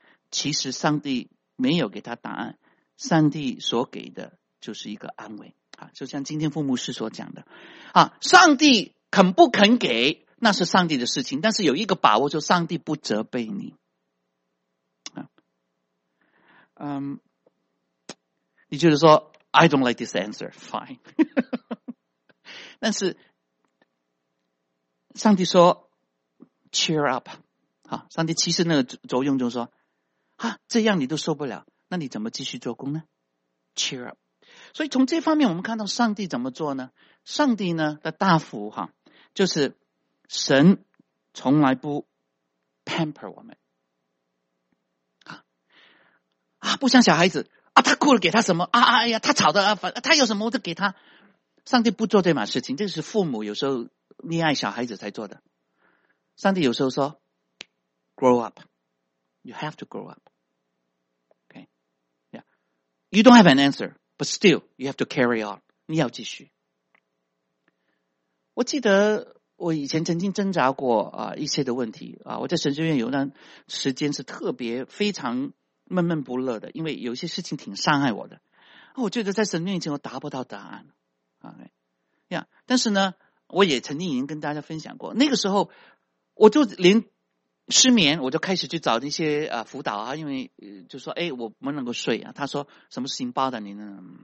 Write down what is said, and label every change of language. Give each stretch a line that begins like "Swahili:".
Chinese: 其实上帝没有给他答案，上帝所给的就是一个安慰。就像今天父母师所讲的，上帝肯不肯给那是上帝的事情，但是有一个把握，就上帝不责备你。你就是说
English: I don't like this answer, fine.
Chinese: 但是上帝说
English: cheer up,
Chinese: 上帝其实那个作用就是说这样你都受不了，那你怎么继续做工呢？
English: cheer up。
Chinese: 所以从这方面我们看到上帝怎么做呢？上帝呢的大福就是神从来不 pamper 我们。不像小孩子他哭了给他什么他吵的他有什么我就给他。上帝不做这码事情，这是父母有时候溺爱小孩子才做的。上帝有时候说
English: grow up, you have to grow up. Okay. Yeah. You don't have an answer, but still, you have to carry on.
Chinese: 你要继续。我记得我以前曾经挣扎过一些的问题我在神学院有段时间是特别非常闷闷不乐的，因为有些事情挺伤害我的。我觉得在神面前我达不到答案。但是呢我也曾经已经跟大家分享过，那个时候我就连失眠我就开始去找那些辅导因为就说我不能够睡他说什么事情包的你呢？